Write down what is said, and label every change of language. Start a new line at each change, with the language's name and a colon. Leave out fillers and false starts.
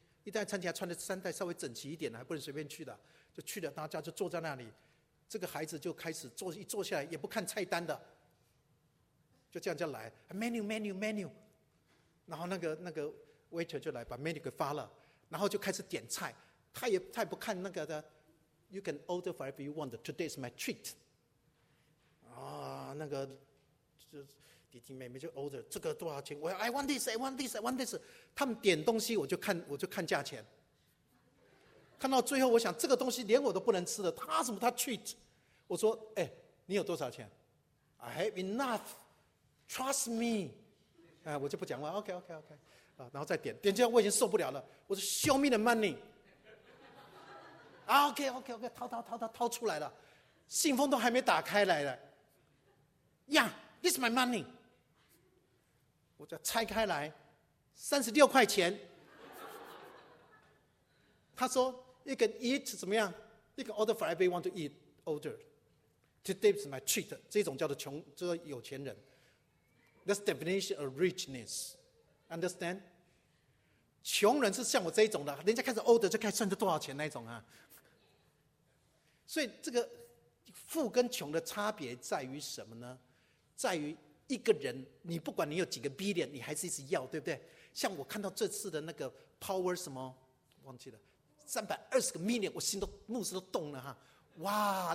Chinese: 意大利餐厅还穿的衫带稍微整齐一点，还不能随便去的，就去了。大家就坐在那里，这个孩子就开始坐，一坐下来也不看菜单的，就这样就来 menu， 然后那个 waiter 就来把 menu 给发了，然后就开始点菜。他也不看那个的，
English: you can order whatever you want， today's my treat。
Chinese: 那个就弟弟妹妹就 order 这个多少钱？我要
English: I want this。
Chinese: 他们点东西我就看价钱，看到最后我想这个东西连我都不能吃的，他什么他 treat。我说你有多少钱？
English: I have enough trust me。
Chinese: 我就不讲话， OK 然后再点进来我已经受不了了，我说
English: show me the money。
Chinese: OK 掏出来了，信封都还没打开来的。
English: yeah this is my money。
Chinese: 我就拆开来，36块钱。他说
English: ，You can eat
Chinese: 怎么样
English: ？You can order for everyone to eat order. Today is my treat.
Chinese: 这种叫做穷，叫做有钱人。
English: That's definition of richness. Understand?
Chinese: 穷人是像我这一种的，人家开始 order 就开始算着多少钱那一种啊。所以这个富跟穷的差别在于什么呢？在于一个人，你不管你有几个 billion， 你还是一直要，对不对？像我看到这次的那个 power 什么忘记了，320个 million， 我心都目视都动了哈，哇！